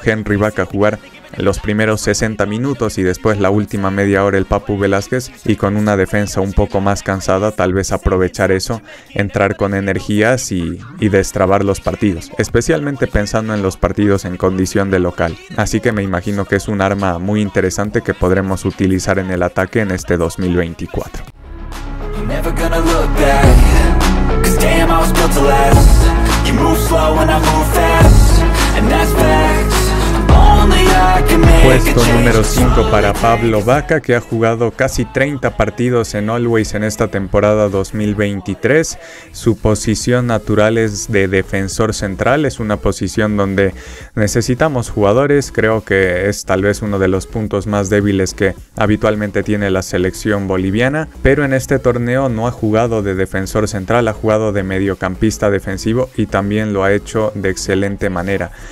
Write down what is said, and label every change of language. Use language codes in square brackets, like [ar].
[es] Henry Vaca jugar los primeros 60 minutos y después la última media hora el Papu Velázquez, y con una defensa un poco más cansada, tal vez aprovechar eso, entrar con energías y destrabar los partidos, especialmente pensando en los partidos en condición de local. Así que me imagino que es un arma muy interesante que podremos utilizar en el ataque en este 2024. [en] Never gonna look back, 'cause damn, I was built to last. You move slow and I move fast, and that's facts. [es] Puesto número 5 para Pablo Vaca, que ha jugado casi 30 partidos en Always en esta temporada 2023. Su posición natural es de defensor central, es una posición donde necesitamos jugadores. Creo que es tal vez uno de los puntos más débiles que habitualmente tiene la selección boliviana, pero en este torneo no ha jugado de defensor central, ha jugado de mediocampista defensivo y también lo ha hecho de excelente manera.